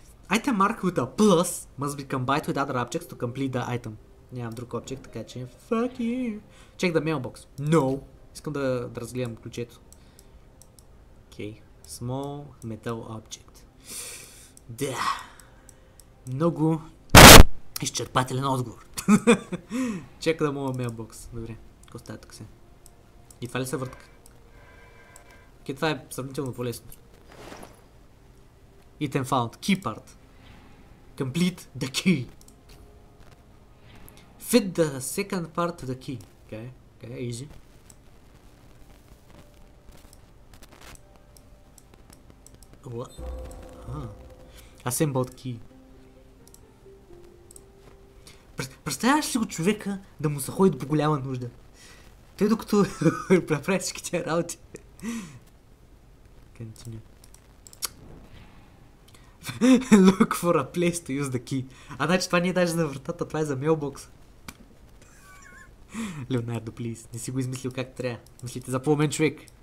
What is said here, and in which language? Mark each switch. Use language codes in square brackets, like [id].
[en] Item mark with a plus must be combined with other objects to complete the item. [bg] Нямам друг object, така че... [en] Fuck you. Check the mailbox. No. [bg] Искам да разгледам ключето. [en] Окей. Small metal object. Да. [bg] Много изчерпателен отговор. Чека да мога mailbox. Добре. Какво става тук се? И това ли се въртка? Окей, това е сравнително по-лесно. [en] Item found. Key part. Complete the key. Fit the second part of the key. Okay, okay, easy. What? Huh. Assembled key. [bg] Представяш ли го човека да му се ходи по голяма нужда? Той докато прави всички тези работи. [en] Continue. Look for a place to use the key. [bg] А значи това не е даже за вратата, това е за mailbox. Леонардо, плиз, не си го измислил как трябва. Мислите за по-умен човек.